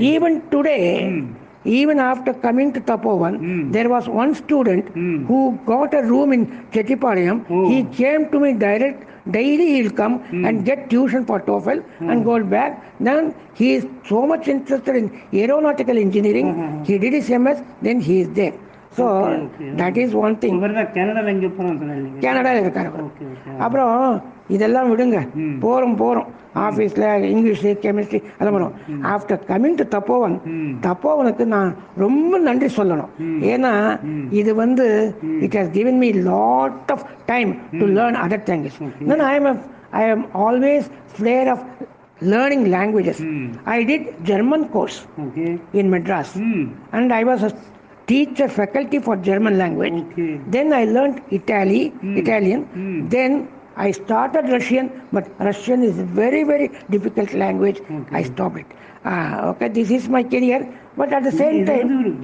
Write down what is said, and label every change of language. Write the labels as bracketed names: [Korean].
[English] Even today, even after coming to Tapovan, there was one student who got a room in Chettipalayam. He came to me direct, daily he'll come and get tuition for TOEFL and go back. Then he is so much interested in aeronautical engineering, he did his MS, then he is there. So, okay, okay. That is one thing. [Tamil] கனடாவில் இருக்கார். அப்புறம் இதெல்லாம் விடுங்க, போகிறோம் போகிறோம் ஆஃபீஸில், English chemistry அதெல்லாம் போகிறோம். [English] after coming to [Tamil] தப்போவன், தப்போவனுக்கு நான் ரொம்ப நன்றி சொல்லணும். ஏன்னா இது வந்து [English] It has given me lot of time to learn other language. Then I am always flair of learning languages. I did German course in Madras. And I was a teacher faculty for German language. Then I learned Italian. Then I started Russian, but Russian is a very, very difficult language. I stopped it. This is my career. But at the same time,